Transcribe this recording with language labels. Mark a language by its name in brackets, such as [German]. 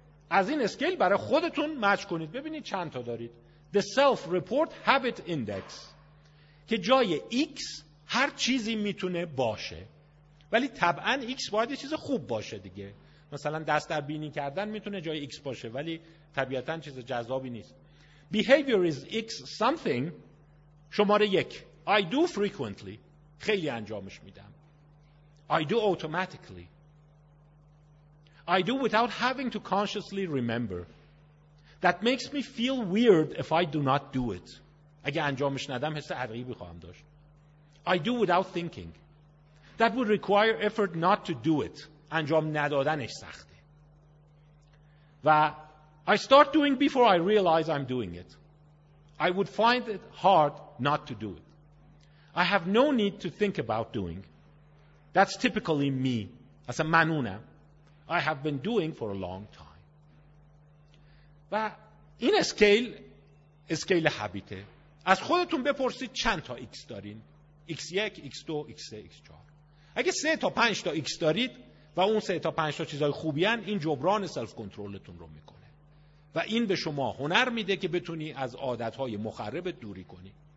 [Persian] از این اسکیل برای خودتون مچ کنید ببینید چند تا دارید. [English] The Self-Report Habit Index [Persian] که جای X هر چیزی میتونه باشه، ولی طبعا X باید یه چیز خوب باشه دیگه. مثلا دست در بینی کردن میتونه جای X باشه، ولی طبیعتاً چیز جذابی نیست. [English] Behavior is X something. [Persian] شماره 1، [English] I do frequently، [Persian] خیلی انجامش میدم. [English] I do automatically. I do without having to consciously remember. That makes me feel weird if I do not do it. [Persian] اگه انجامش ندم حس عجیبی خواهم داشت. [English] I do without thinking. That would require effort not to do it. [Persian] انجام ندادنش سخته. [English] و I start doing before I realize I'm doing it. I would find it hard not to do it. I have no need to think about doing. That's typically me. [Persian] اصلا منونم. [English] I have been doing for a long time. [Persian] و این اسکیل، اسکیل حبیته. از خودتون بپرسید چند تا X دارین؟ X1, X2, X3, X4. اگه 3 تا 5 تا X دارید و اون 3 تا 5 تا چیزای خوبی هن، این جبران سلف کنترلتون رو میکنه و این به شما هنر میده که بتونی از عادتهای مخربت دوری کنی.